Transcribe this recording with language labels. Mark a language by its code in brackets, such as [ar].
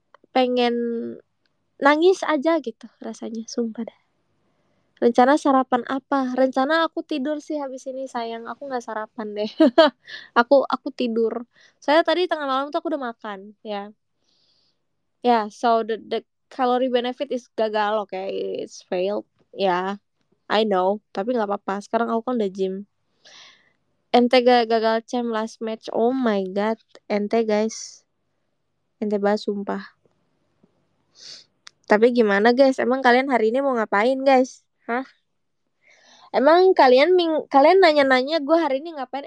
[id] Pengen nangis aja gitu rasanya. Sumpah dah. Rencana sarapan apa? Rencana aku tidur sih habis ini sayang. Aku gak sarapan deh. aku tidur. Soalnya tadi tengah malam tuh aku udah makan. Ya. Yeah. [en] Ya, yeah, so the calorie benefit is gagal, okay? It's failed. Ya. Yeah. I know. [id] Tapi gak apa-apa. Sekarang aku kan udah gym. Ente gagal [en] champ last match. [id] Oh my god. Ente guys. Ente bahas sumpah. Tapi gimana guys? Emang kalian hari ini mau ngapain guys? Hah? Emang kalian nanya-nanya gue hari ini ngapain?